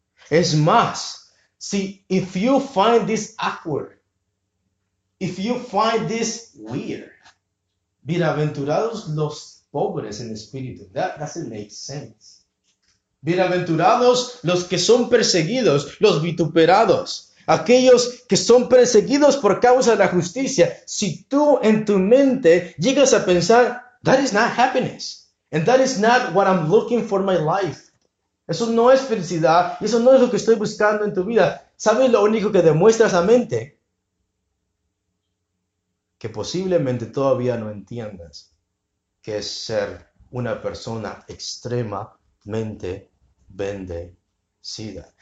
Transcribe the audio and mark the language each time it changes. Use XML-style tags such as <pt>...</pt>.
<es>Es más, si</es> <en>if you find this awkward, if you find this weird,</en> <es>bienaventurados los pobres en espíritu.</es> <en>That doesn't make sense.</en> <es>Bienaventurados los que son perseguidos, los vituperados, aquellos que son perseguidos por causa de la justicia. Si tú en tu mente llegas a pensar,</es> <en>that is not happiness, and that is not what I'm looking for my life.</en> <es>Eso no es felicidad, y eso no es lo que estoy buscando en tu vida. ¿Sabes lo único que demuestra esa mente? Que posiblemente todavía no entiendas qué es ser una persona extremadamente bendecida.</es>